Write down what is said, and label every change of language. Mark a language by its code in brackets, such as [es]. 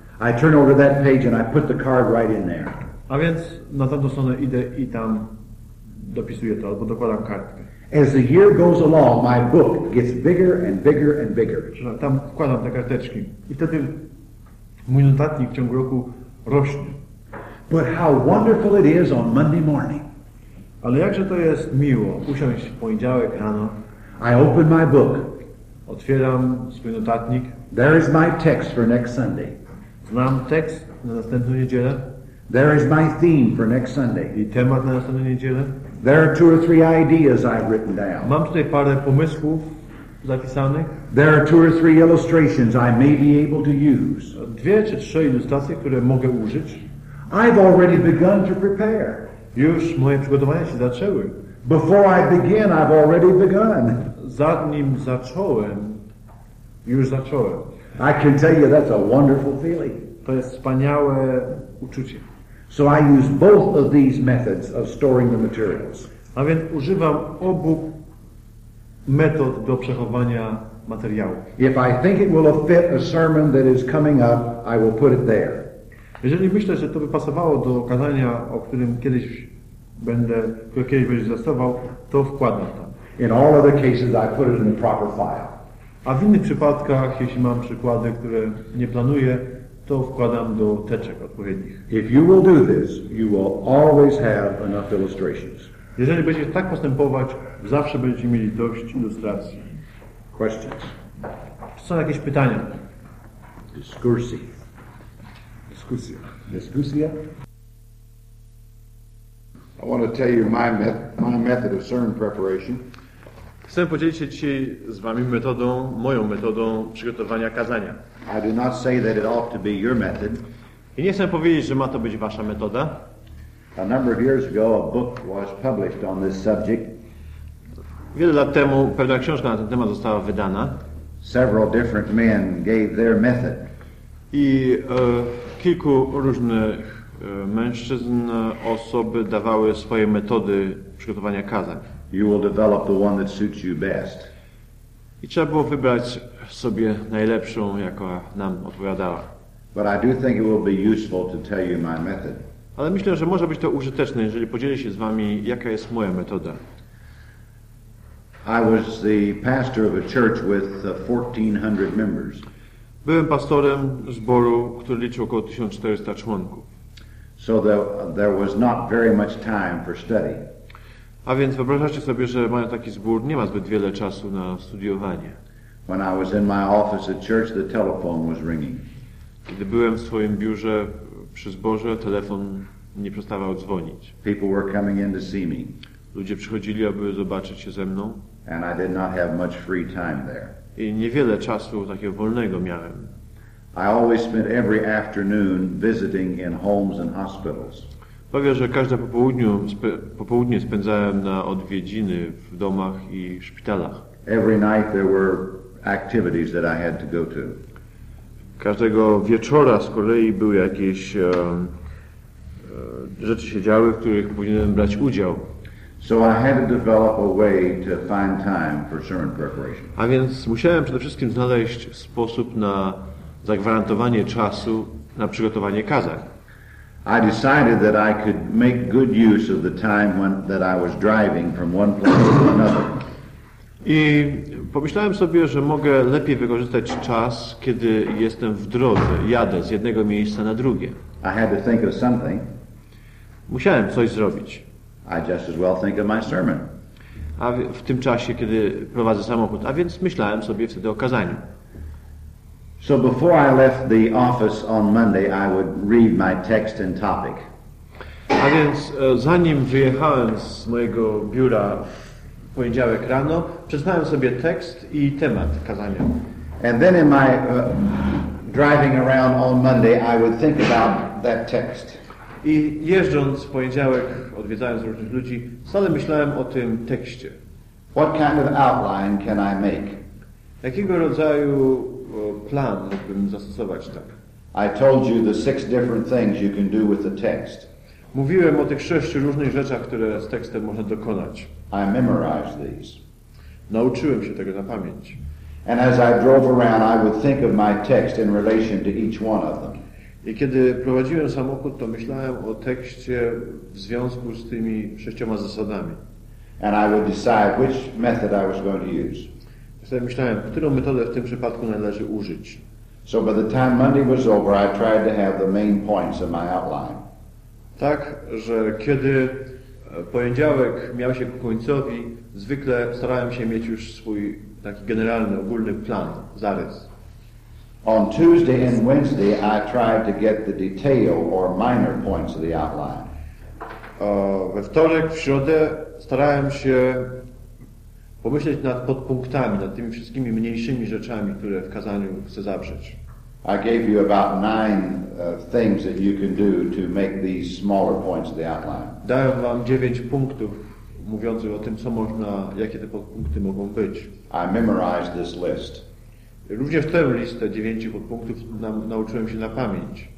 [en] I turn over to that page and I put the card right in there. [pl] A więc na tamtą stronę idę i tam dopisuję to, albo dokładam kartkę. [en] As the year goes along, my book gets bigger and bigger and bigger. [pl] Tam wkładam te karteczki. I wtedy mój notatnik w ciągu roku rośnie. [en] But how wonderful it is on Monday morning. [pl] Ale jakże to jest miło usiąść w poniedziałek rano. [en] I open my book. [pl] Otwieram swój notatnik. [en] There is my text for next Sunday. [pl] Znam tekst na następną niedzielę. [en] There is my theme for next Sunday. [pl] I temat na następną niedzielę. [en] There are two or three ideas I've written down. [pl] Mam tutaj parę pomysłów zapisanych. [en] There are two or three illustrations I may be able to use. [pl] Dwie czy trzy ilustracje, które mogę użyć. [en] I've already begun to prepare. [pl] Już moje przygotowania się zaczęły. [en] Before I begin, I've already begun. [pl] Zanim zacząłem, już zacząłem. [en] I can tell you that's a wonderful feeling. [pl] To jest wspaniałe uczucie. [en] So I use both of these methods of storing the materials. [pl] A więc używam obu metod do przechowywania materiałów. [en] If I think it will fit a sermon that is coming up, I will put it there. [pl] Jeżeli myślę, że to by pasowało do kazania, o którym kiedyś będę, zastosował, to wkładam tam. [en] In all other cases, I put it in the proper file. [pl] A w innych przypadkach, jeśli mam przykłady, które nie planuję, to wkładam do teczek odpowiednich. [en] If you will do this, you will always have enough illustrations. [pl] Jeżeli będziecie tak postępować, zawsze będziecie mieli dość ilustracji. [en] Questions. [pl] Czy są jakieś pytania? Discursy. Discussia. [en] I want to tell you my method of sermon preparation. [pl] Chcę podzielić się dzisiaj z wami moją metodą przygotowania kazania. [en] I do not say that it ought to be your method. [pl] I nie chcę powiedzieć, że ma to być wasza metoda. [en] A number of years ago, a book was published on this subject. [pl] Wiele lat temu pewna książka na ten temat została wydana. [en] Several different men gave their method. [pl] I kilku różnych mężczyzn, osoby dawały swoje metody przygotowania kazań. [en] You will develop the one that suits you best. [pl] I trzeba było wybrać sobie najlepszą, jaka nam odpowiadała. [en] But I do think it will be useful to tell you my method. [pl] Ale myślę, że może być to użyteczne, jeżeli podzielę się z wami, jaka jest moja metoda. [en] I was the pastor of a church with 1400 members. [pl] Byłem pastorem zboru, który liczył około 1400 członków. [en] So there was not very much time for study. [pl] A więc wyobrażacie sobie, że mając taki zbór, nie ma zbyt wiele czasu na studiowanie. [en] When I was in my office at church, the telephone was ringing. [pl] Kiedy byłem w swoim biurze przy zborze, telefon nie przestawał dzwonić. [en] People were coming in to see me. [pl] Ludzie przychodzili, aby zobaczyć się ze mną. [en] And I did not have much free time there. [pl] I niewiele czasu takiego wolnego miałem. [en] I always spent every afternoon visiting in homes and hospitals. [pl] Powiem, że każde popołudnie spędzałem na odwiedziny w domach i szpitalach. [en] Every night there were activities that I had to go to. [pl] Każdego wieczora z kolei były jakieś rzeczy się działy, w których powinienem brać udział. [en] So I had to develop a way to find time for sermon preparation. [pl] A więc musiałem przede wszystkim znaleźć sposób na zagwarantowanie czasu na przygotowanie kazań. [en] I decided that I could make good use of the time that I was driving from one place to another. [pl] I pomyślałem sobie, że mogę lepiej wykorzystać czas, kiedy jestem w drodze, jadę z jednego miejsca na drugie. [en] I had to think of something. [pl] Musiałem coś zrobić. [en] I just as well think of my sermon. [pl] A w tym czasie, kiedy prowadzę samochód, a więc myślałem sobie wtedy o kazaniu. [en] So before I left the office on Monday, I would read my text and topic. [pl] A więc zanim wyjechałem z mojego biura w poniedziałek rano, przeczytałem sobie tekst i temat kazania. [en] And then in my driving around on Monday, I would think about that text. [pl] I jeżdżąc w poniedziałek, odwiedzając różnych ludzi, wcale myślałem o tym tekście. [en] What kind of outline can I make? [pl] Jakiego rodzaju plan mógłbym zastosować tak? [en] I told you the six different things you can do with the text. [pl] Mówiłem o tych sześciu różnych rzeczach, które z tekstem można dokonać. [en] I memorized these. [pl] Nauczyłem się tego na pamięć. [en] And as I drove around, I would think of my text in relation to each one of them. [pl] I kiedy prowadziłem samochód, to myślałem o tekście w związku z tymi sześcioma zasadami. [en] And I would decide which method I was going to use. [pl] Wtedy myślałem, którą metodę w tym przypadku należy użyć. [en] So by the time Monday was over, I tried to have the main points in my outline. [pl] Tak, że kiedy poniedziałek miał się ku końcowi, zwykle starałem się mieć już swój taki generalny, ogólny plan, zarys. [en] On Tuesday and Wednesday, I tried to get the detail or minor points of the outline. [pl] We wtorek, w środę starałem się pomyśleć nad podpunktami, nad tymi wszystkimi mniejszymi rzeczami, które w kazaniu chcę zawrzeć. [en] I gave you about 9 things that you can do to make these smaller points of the outline. [pl] Dałem wam 9 punktów mówiących o tym, co można, jakie te podpunkty mogą być. [en] I memorized this list. [pl] Również tę listę 9 podpunktów nauczyłem się na pamięć.